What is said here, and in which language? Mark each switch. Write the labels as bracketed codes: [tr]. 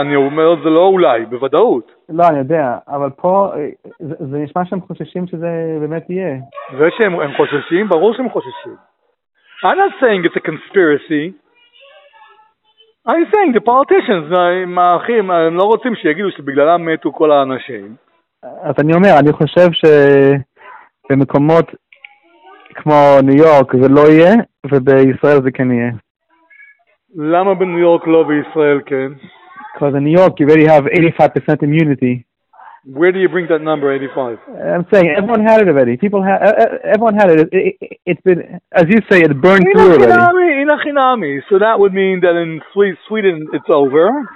[he] אני אומר זה לא אולי, בוודאות. לא, אני יודע. אבל פה, זה נשמע שהם חוששים שזה באמת יהיה. זה שהם חוששים? ברור שהם חוששים. [en] I'm not saying it's a conspiracy. I'm saying the politicians, [he] מאחים, הם לא רוצים שיגידו שבגללם מתו כל האנשים. אז אני אומר, אני חושב שבמקומות כמו ניו יורק זה לא יהיה, ובישראל זה כן יהיה. למה בניו יורק לא וישראל כן? [en] Because in New York you already have 85% immunity. Where do you bring that number, 85? I'm saying everyone had it already. Everyone had it. It's been, as you say, it burned through already. Inachinami. So that would mean that in Sweden it's over.